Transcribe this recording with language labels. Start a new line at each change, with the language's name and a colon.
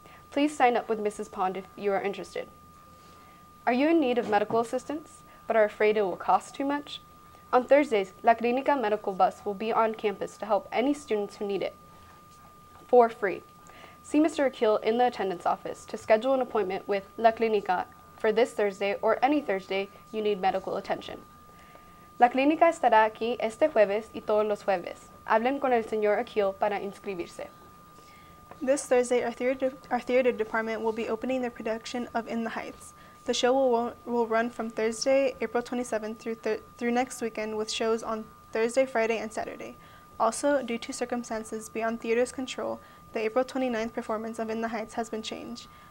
English: Please sign up with Mrs. Pond if you are interested. Are you in need of medical assistance, but are afraid it will cost too much? On Thursdays, La Clinica Medical Bus will be on campus to help any students who need it for free. See Mr. Akeel in the attendance office to schedule an appointment with La Clinica for this Thursday or any Thursday you need medical attention.
Spanish: La Clinica estará aquí este jueves y todos los jueves. Hablen con el señor Akeel para inscribirse.
English: This Thursday, our theater department will be opening the production of In the Heights. The show will run from Thursday, April 27th through next weekend with shows on Thursday, Friday, and Saturday. Also, due to circumstances beyond theater's control, the April 29th performance of In the Heights has been changed.